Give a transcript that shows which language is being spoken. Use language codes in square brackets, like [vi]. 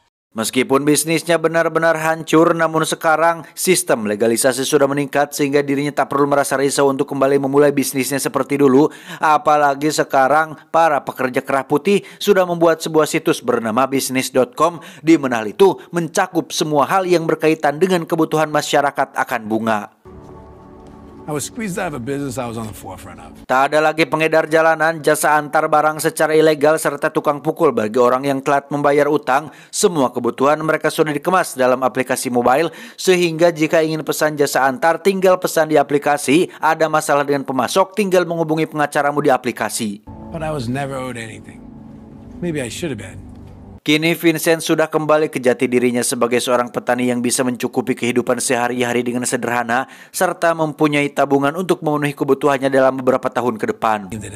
[id] Meskipun bisnisnya benar-benar hancur, namun sekarang sistem legalisasi sudah meningkat sehingga dirinya tak perlu merasa risau untuk kembali memulai bisnisnya seperti dulu. Apalagi sekarang para pekerja kerah putih sudah membuat sebuah situs bernama bisnis.com, di mana hal itu mencakup semua hal yang berkaitan dengan kebutuhan masyarakat akan bunga. [en] I was squeezed out of a business I was on the forefront of. [id] Tak ada lagi pengedar jalanan, jasa antar barang secara ilegal, serta tukang pukul bagi orang yang telat membayar utang. Semua kebutuhan mereka sudah dikemas dalam aplikasi mobile, sehingga jika ingin pesan jasa antar, tinggal pesan di aplikasi. Ada masalah dengan pemasok, tinggal menghubungi pengacaramu di aplikasi. [en] But I was never owed anything. Maybe I should have been. [id] Kini Vincent sudah kembali ke jati dirinya sebagai seorang petani yang bisa mencukupi kehidupan sehari-hari dengan sederhana serta mempunyai tabungan untuk memenuhi kebutuhannya dalam beberapa tahun ke depan.